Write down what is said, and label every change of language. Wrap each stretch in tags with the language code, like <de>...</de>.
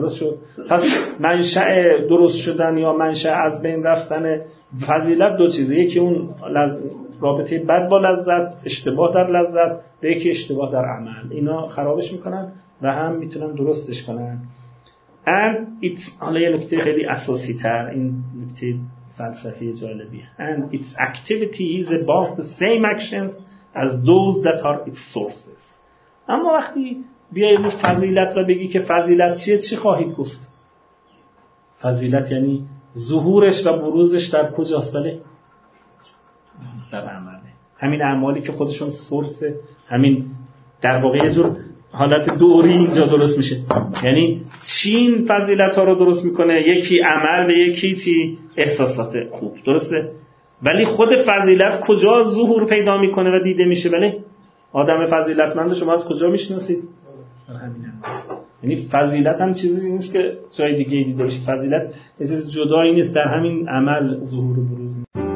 <fa>درست شد؟ پس منشأ درست شدن یا منشأ از بین رفتن فضیلت دو چیزه، یکی اون رابطه بد با لذت، اشتباه در لذت، و یکی اشتباه در عمل، اینا خرابش میکنن و هم میتونن درستش کنن.</fa> <en>And it's</en> <fa>حالا یه نکته خیلی اساسی تر، این نکته فلسفی جالبیه.</fa> <en>And its activity is about the same actions as those that are its sources.</en> <fa>اما وقتی بیایی رو فضیلت رو بگی که فضیلت چیه چی خواهید گفت؟ فضیلت یعنی ظهورش و بروزش در کجاست؟ بله؟ در عمله، همین اعمالی که خودشون سورسه، همین در واقع یه جور حالت دوری اینجا درست میشه، یعنی چین فضیلت ها رو درست میکنه، یکی عمل و یکی چی احساسات خوب، درسته؟ ولی خود فضیلت کجا ظهور پیدا میکنه و دیده میشه؟ بله آدم فضیلتمند شما از کجا میشناسید؟ یعنی فضیلت هم چیزی نیست که جای دیگه دیده بشه، فضیلت یه چیز جدایی نیست، در همین عمل ظهور و بروز میکنه.</fa>